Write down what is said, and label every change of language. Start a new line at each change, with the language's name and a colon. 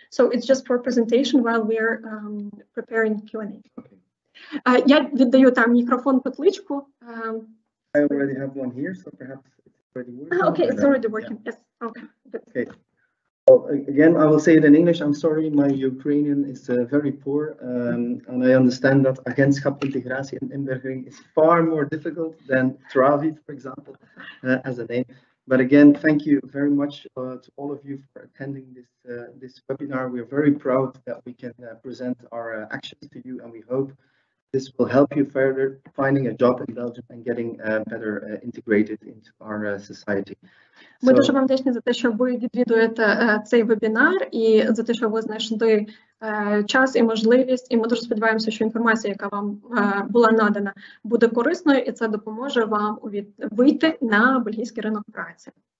English: So, it's just for presentation while we are preparing Q&A. Okay.
Ukrainian: Я віддаю там мікрофон Петличку.
English: I already have one here, so perhaps... Okay, it's already working. Yeah. Yes. Okay. Good. Well, again, I will say it in English. I'm sorry, my Ukrainian is very poor, and I understand that Agentschap Integratie en Inburgering is far more difficult than Travi, for example, as a name. But again, thank you very much to all of you for attending this webinar. We are very proud that we can present our actions to you, and we hope this will help you further finding a job in Belgium and getting better integrated into our society.
Ukrainian: Ми дуже вам вдячні за те, що ви відвідуєте цей вебінар і за те, що ви знайшли час і можливість. І ми дуже сподіваємося, що інформація, яка вам була надана, буде корисною і це допоможе вам вийти на бельгійський ринок праці.